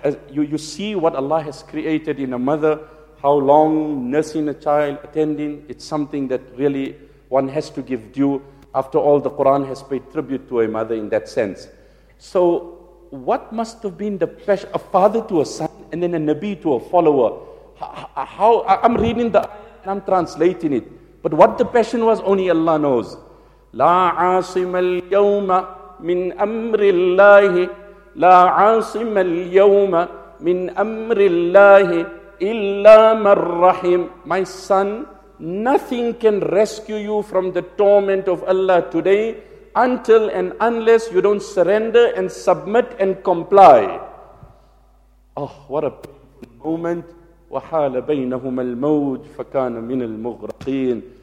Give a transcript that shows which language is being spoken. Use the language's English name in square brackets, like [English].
[English] You see what Allah has created in a mother, how long nursing a child, attending, it's something that really one has to give due. After all, the Quran has paid tribute to a mother in that sense. So what must have been the passion, a father to a son, and then a Nabi to a follower? How I'm reading the ayah and I'm translating it. But what the passion was, only Allah knows. [Arabic] لا عاصم اليوم من أمر الله لا عاصم اليوم من أمر الله إلا من رحم. [English] My son, nothing can rescue you from the torment of Allah today until and unless you don't surrender and submit and comply. Oh, what a moment. [Arabic] وَحَالَ بَيْنَهُمَ الْمَوْجِ فَكَانَ مِنَ الْمُغْرَقِينَ.